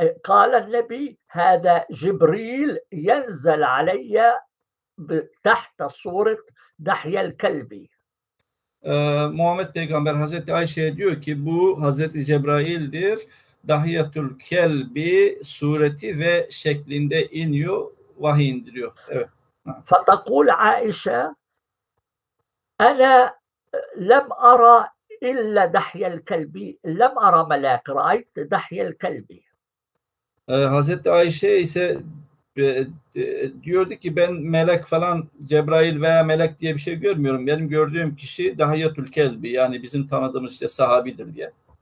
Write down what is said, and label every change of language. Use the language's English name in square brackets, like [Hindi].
[Arabic] قال النبي هذا جبريل ينزل علي تحت صورة دحية الكلب. [Turkish] Muhammed Peygamber Hazreti Ayşe diyor ki bu Hazreti Cebrail'dir. Dahiyatül Kelbi sureti ve şeklinde iniyor, vahiy indiriyor. Evet. [Arabic] فتقول عائشة أنا لم أرى إلا دحية الكلب لم أرى ملاك رأيت دحية الكلب. [Turkish] Hazreti Ayşe ise diyordu ki ben melek falan Cebrail veya melek diye bir şey görmüyorum. Benim gördüğüm kişi Dahiyetül Kelbi, yani bizim tanıdığımız işte sahabidir diye.